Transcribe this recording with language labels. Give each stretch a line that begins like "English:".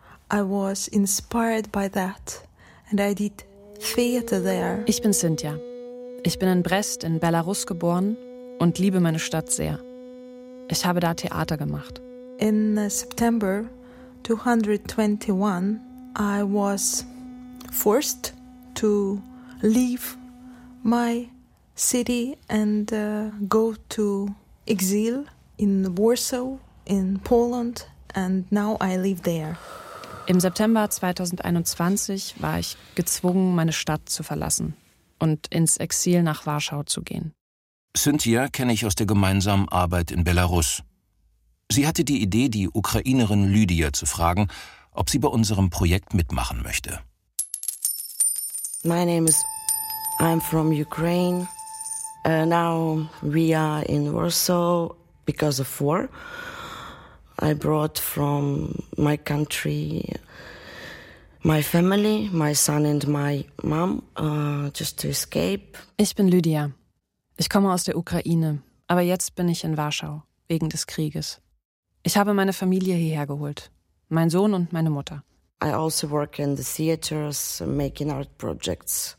English: I was inspired by that and I did theater there.
German: Ich bin Cynthia. Ich bin in Brest in Belarus geboren und liebe meine Stadt sehr. Ich habe da Theater gemacht.
English: In September 221 I was forced to leave my city and go to exile in Warsaw in Poland. And now I live there.
German: Im September 2021 war ich gezwungen, meine Stadt zu verlassen und ins Exil nach Warschau zu gehen. Cynthia kenne ich aus der gemeinsamen Arbeit in Belarus. Sie hatte die Idee, die Ukrainerin Lydia zu fragen, ob sie bei unserem Projekt mitmachen möchte.
English: My name is... I'm from Ukraine. Now we are in Warsaw because of war. I brought from my country my family, my son and my mom, just to escape.
German: Ich bin Lydia. Ich komme aus der Ukraine, aber jetzt bin ich in Warschau, wegen des Krieges. Ich habe meine Familie hierher geholt, mein Sohn und meine Mutter.
English: I also work in the theaters, making art projects.